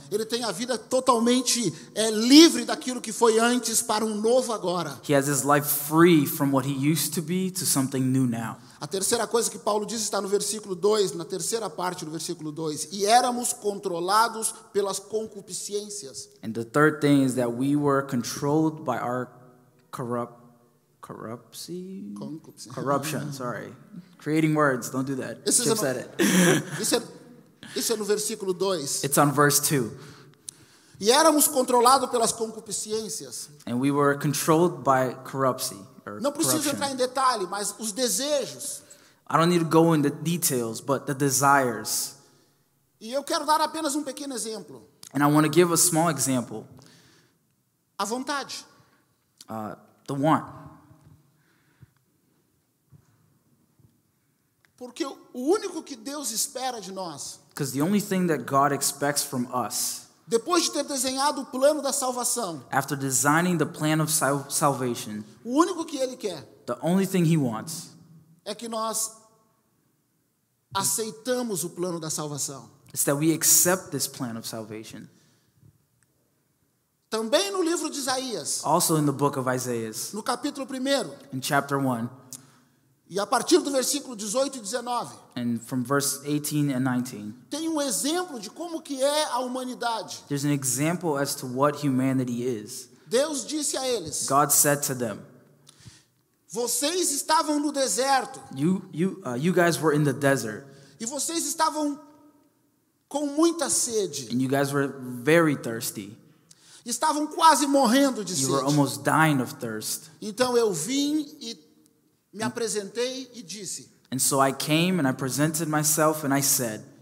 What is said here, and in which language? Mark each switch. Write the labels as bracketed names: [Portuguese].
[Portuguese] Ele tem a vida totalmente livre daquilo que foi antes para novo agora. [English] He has his life free from what he used to be to something new now. [Portuguese] A terceira coisa que Paulo diz está no versículo 2, na terceira parte do versículo 2. E éramos controlados pelas concupiscências. [English] And the third thing is that we were controlled by our corruption. Sorry. Creating words, don't do that. Chip said it. [Portuguese] Isso é no versículo 2. [English] It's on verse 2. [Portuguese] E éramos controlados pelas concupiscências. [English] And we were controlled by corruption. [Portuguese] Não preciso entrar em detalhe, mas os desejos. [English] I don't need to go into details, but the desires. [Portuguese] E eu quero dar apenas um pequeno exemplo. [English] And I want to give a small example. [Portuguese] A vontade. [English] The want. [Portuguese] Porque o único que Deus espera de nós. [English] Because the only thing that God expects from us. [Portuguese] Depois de ter desenhado o plano da salvação. [English] After designing the plan of salvation. [Portuguese] O único que ele quer. [English] The only thing he wants. [Portuguese] É que nós aceitamos o plano da salvação. [English] It's that we accept this plan of salvation. [Portuguese] Também no livro de Isaías. [English] Also in the book of Isaiah. [Portuguese] No capítulo 1. [English] In chapter 1. [Portuguese] E a partir do versículo 18 e 19. [English] And from verse 18 and 19. [Portuguese] Tem um exemplo de como que é a humanidade. [English] There's an example as to what humanity is. [Portuguese] Deus disse a eles. [English] God said to them. [Portuguese] Vocês estavam no deserto. [English] You guys were in the desert. [Portuguese] E vocês estavam com muita sede. [English] And you guys were very thirsty. [Portuguese] Estavam quase morrendo de sede. [English] You were almost dying of thirst. [Portuguese] Então eu vim e me apresentei e disse. [English] And so I came and I presented myself and I said.